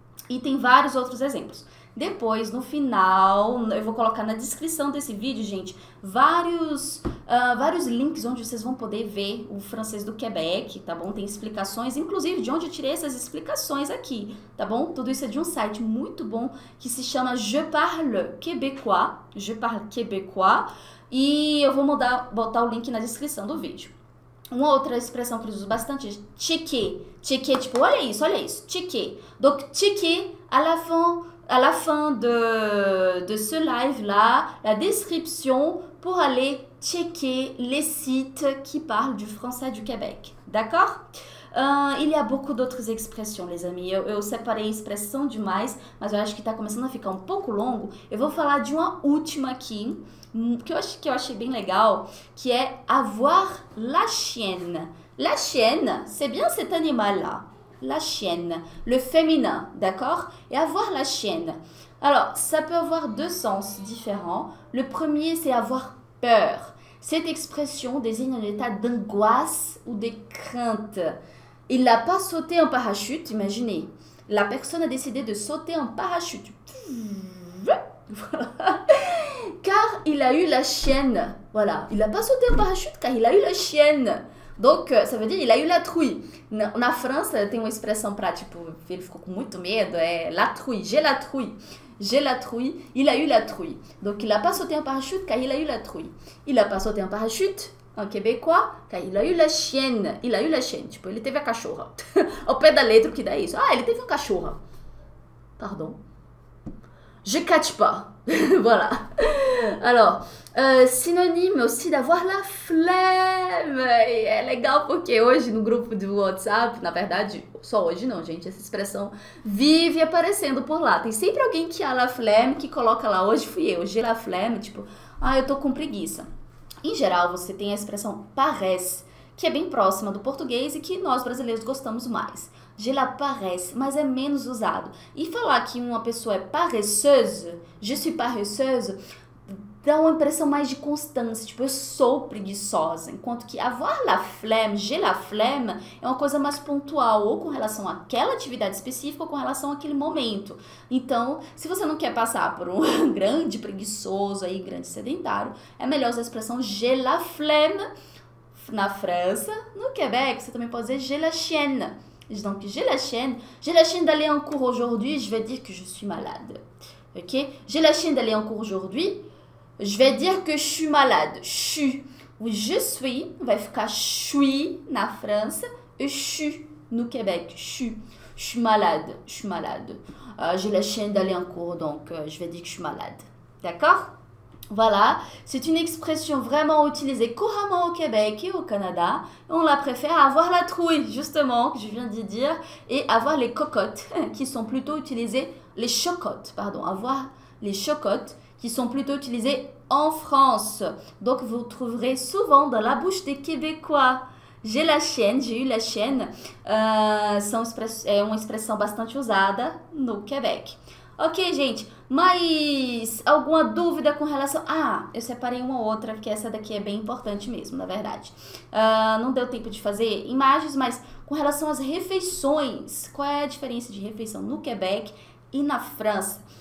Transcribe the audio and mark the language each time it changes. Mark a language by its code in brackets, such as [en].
[pt] E tem vários outros exemplos. Depois, no final, eu vou colocar na descrição desse vídeo, gente, vários links onde vocês vão poder ver o francês do Quebec, tá bom? Tem explicações, inclusive de onde eu tirei essas explicações aqui, tá bom? Tudo isso é de um site muito bom que se chama Je Parle Québécois. Je Parle Québécois. E eu vou botar o link na descrição do vídeo. Uma outra expressão que eles usam bastante é tiquer. Tiquer, tipo, olha isso, tiquer. [fr] Donc, tiquer à la fin de ce live-là, la description pour aller checker les sites qui parlent du français du Québec. D'accord? Il y a beaucoup d'autres expressions, les amis. [pt] Eu separei expressão demais, mas eu acho que tá começando a ficar um pouco longo. Eu vou falar de uma última aqui, que eu achei bem legal, que é avoir la chienne. [fr] La chienne, c'est bien cet animal-là. La chienne, le féminin, d'accord? Et avoir la chienne. Alors, ça peut avoir deux sens différents. Le premier, c'est avoir peur. Cette expression désigne un état d'angoisse ou de crainte. Il n'a pas sauté en parachute, imaginez. La personne a décidé de sauter en parachute. Voilà. Car il a eu la chienne. Voilà. Il n'a pas sauté en parachute car il a eu la chienne. Donc, ça veut dire il a eu la trouille. [pt] Na França tem uma expressão para tipo, ele ficou com muito medo, é la trouille, [fr] j'ai la trouille. J'ai la trouille, il a eu la trouille. Donc, il a pas sauté en parachute car il a eu la trouille. Il a pas sauté en parachute en québécois car il a eu la chienne. Il a eu la chienne, [pt] tipo, ele teve a cachorra. Ao pé da letra, o que dá isso? Ah, ele teve uma cachorra. [fr] Pardon. Je catch pas. Voilà. Alors, synonyme aussi d'avoir la flemme. [pt] E é legal porque hoje no grupo do WhatsApp, na verdade, só hoje não, gente, essa expressão vive aparecendo por lá. Tem sempre alguém que a la flemme que coloca lá. Hoje fui eu, [fr] j'ai la flemme, [pt] tipo, ah, eu tô com preguiça. Em geral, você tem a expressão paresse, que é bem próxima do português e que nós brasileiros gostamos mais. Je la paresse, mas é menos usado. E falar que uma pessoa é paresseuse, [fr] je suis paresseuse, [pt] dá uma impressão mais de constância, tipo, eu sou preguiçosa. Enquanto que avoir la flemme, [fr] j'ai la flemme, [pt] é uma coisa mais pontual, ou com relação àquela atividade específica, ou com relação àquele momento. Então, se você não quer passar por um grande preguiçoso aí, grande sedentário, é melhor usar a expressão [fr] j'ai la flemme [pt] na França. No Quebec, você também pode dizer [fr] j'ai la chienne. Donc, j'ai la chienne d'aller en cours aujourd'hui, je vais dire que je suis malade. Ok? J'ai la chienne d'aller en cours aujourd'hui, je vais dire que je suis malade. [pt] Chu. O je suis vai ficar chui na França e chu no Québec. Chu. [fr] Je suis malade. Je suis malade. J'ai la chienne d'aller en cours, donc je vais dire que je suis malade. D'accord? Voilà, c'est une expression vraiment utilisée couramment au Québec et au Canada. On la préfère avoir la trouille, justement, que je viens d'y dire, et avoir les cocottes, qui sont plutôt utilisées, les chocottes, pardon, avoir les chocottes, qui sont plutôt utilisées en France. Donc, vous trouverez souvent dans la bouche des Québécois. J'ai la chienne, j'ai eu la chienne. [pt] É uma expressão bastante usada no Québec. Ok, gente, mas alguma dúvida com relação. Ah, eu separei uma outra, porque essa daqui é bem importante mesmo, na verdade. Não deu tempo de fazer imagens, mas com relação às refeições, qual é a diferença de refeição no Quebec e na França?